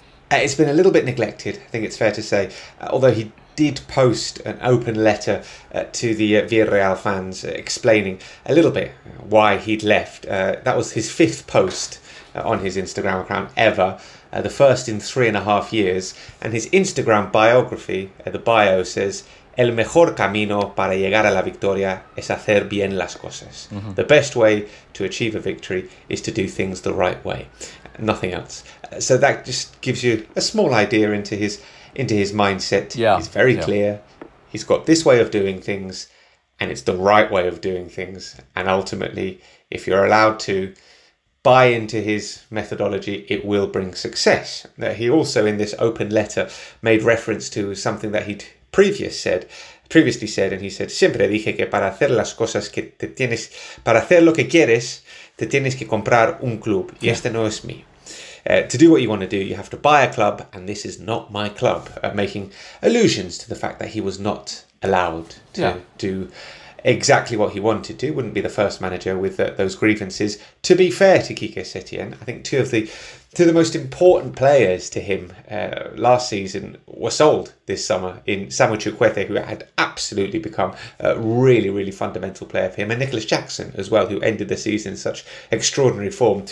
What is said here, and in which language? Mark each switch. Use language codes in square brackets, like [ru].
[en] It's been a little bit neglected, I think it's fair to say, although he did post an open letter to the Villarreal fans explaining a little bit why he'd left. That was his fifth post on his Instagram account ever, the first in 3.5 years. And his Instagram biography, the bio, says, [es] "El mejor camino para llegar a la victoria es hacer bien las cosas." Mm-hmm. [en] The best way to achieve a victory is to do things the right way. Nothing else. So that just gives you a small idea into his mindset. Yeah. He's very clear. He's got this way of doing things, and it's the right way of doing things. And ultimately, if you're allowed to buy into his methodology, it will bring success. Now, he also, in this open letter, made reference to something that he'd previous said, previously said, and he said, [es] siempre dije que para hacer las cosas que te tienes, para hacer lo que quieres, te tienes que comprar un club. [en] Yeah. [es] Y este no es mí. [en] To do what you want to do, you have to buy a club, and this is not my club. Making allusions to the fact that he was not allowed to do exactly what he wanted to. Wouldn't be the first manager with those grievances. To be fair to Quique Setién, I think two of the most important players to him last season were sold this summer in Samu Chukwueze, who had absolutely become a really, really fundamental player for him, and Nicholas Jackson as well, who ended the season in such extraordinary form.